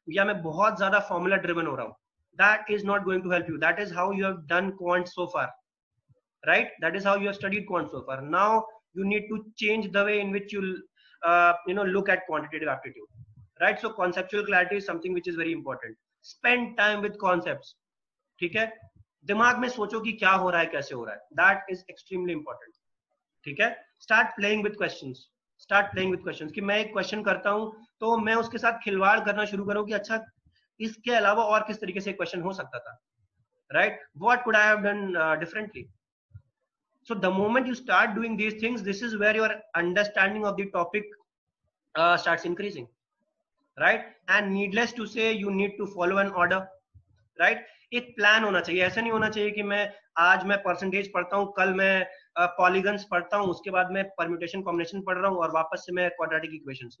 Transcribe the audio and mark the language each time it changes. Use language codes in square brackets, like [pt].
[hi] या मैं बहुत ज़्यादा formula driven हो रहा हूँ. [en] That is not going to help you. That is how you have done quant so far, right? That is how you have studied quant so far. Now you need to change the way in which you look at quantitative aptitude, right? So conceptual clarity is something which is very important. Spend time with concepts, [hi] ठीक है? दिमाग में सोचो कि क्या हो रहा है, कैसे हो रहा है. [en] That is extremely important, ठीक है? Start playing with questions. [hi] कि मैं एक question करता हूँ, तो मैं उसके साथ खिलवाड़ करना शुरू करूँ कि अच्छा इसके अलावा और किस तरीके से एक question हो सकता था, right? [en] What could I have done differently? So the moment you start doing these things, this is where your understanding of the topic starts increasing, right? And needless to say, you need to follow an order, right? [hi] एक plan होना चाहिए. ऐसा नहीं होना चाहिए कि मैं आज मैं percentage पढ़ता हूँ, कल मैं polygons पढ़ता हूँ, उसके बाद मैं permutation combination पढ़ रहा हूँ और वापस से मैं quadratic equations.